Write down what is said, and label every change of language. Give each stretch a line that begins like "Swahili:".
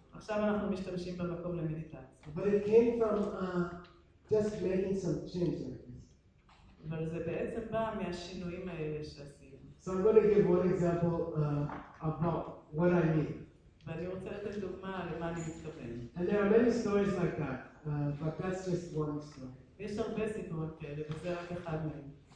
Hebrew: עכשיו אנחנו משתמשים במקום למדיטציה.
English: But it came from just making some change.
Hebrew: אבל זה בעצם בא מהשינויים האלה שעשינו.
English: So I'm going to give one example about what I mean.
Hebrew: ואני רוצה לתת דוגמה למה אני מתכוון.
English: And there are many stories like that, but that's just one story.
Hebrew: יש הרבה סיפורים כאלה, וזה רק אחד מהם.